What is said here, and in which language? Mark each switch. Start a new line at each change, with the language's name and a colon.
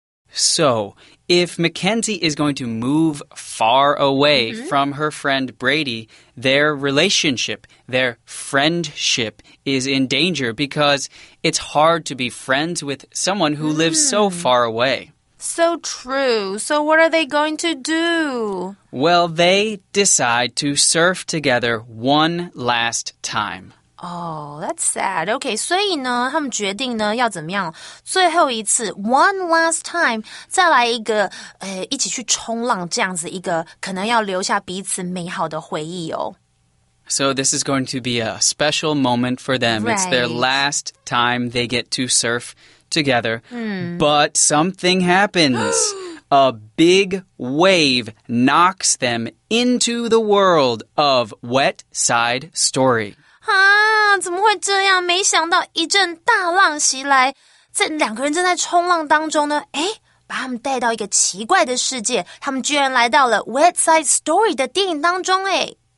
English: So, if Mackenzie is going to move far away from her friend Brady, their relationship, their friendship is in danger because it's hard to be friends with someone who lives so far away. So true. So what are they going to do? Well, they decide to surf together one last time. Oh, that's sad.
Chinese: Okay, 所以呢，他们决定呢要怎么样？最后一次 ，
English: one last time，
Chinese: 再来一个，一起去冲浪这样子一个，可能要留下彼此美好的回忆哦。
English: So this is going to be a special moment for them. Right. It's their last time they get to surf together. But something happens. A big wave knocks them into the world of Wet Side Story.
Chinese: 啊，怎么会这样？没想到一阵大浪袭来，这两个人正在冲浪当中呢，哎，把他们带到一个奇怪的世界，他们居然来到了《Wet Side Story》的电影当中，哎。